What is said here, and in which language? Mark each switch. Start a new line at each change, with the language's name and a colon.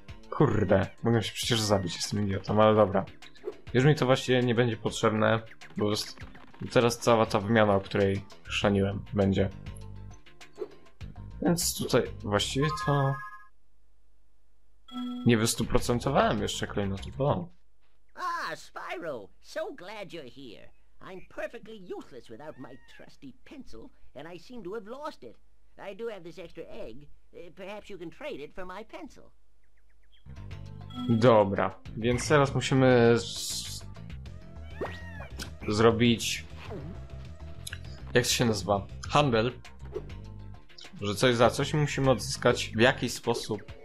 Polish: Kurde, mogę się przecież zabić z tym idiotą, ale dobra. Już mi to właśnie nie będzie potrzebne, bo teraz cała ta wymiana, o której szaniłem, będzie. Więc tutaj właściwie to... Nie wystuprocentowałem jeszcze klejnotu, bo...
English: Ah, Spyro, so glad you're here. I'm perfectly useless without my trusty pencil, and I seem to have lost it. I do have this extra egg. Perhaps you can trade it for my pencil.
Polish: Dobra, więc teraz musimy zrobić... Jak to się nazywa? Handel. Że coś za coś musimy odzyskać w jakiś sposób.